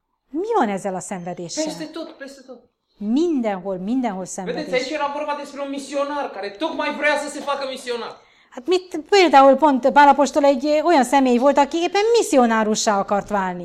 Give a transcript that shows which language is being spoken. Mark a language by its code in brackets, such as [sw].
[hu] Mi van ezzel a szenvedéssel? [ro] Peste tot, peste tot. [hu] Mindenhol, mindenhol szenvedés. [ro] Vedeți, aici era vorba despre un misionar, care tocmai vrea să se facă misionar. [hu] Hát mit, például pont Pál apostol egy olyan személy volt, aki éppen misszionárussá akart válni.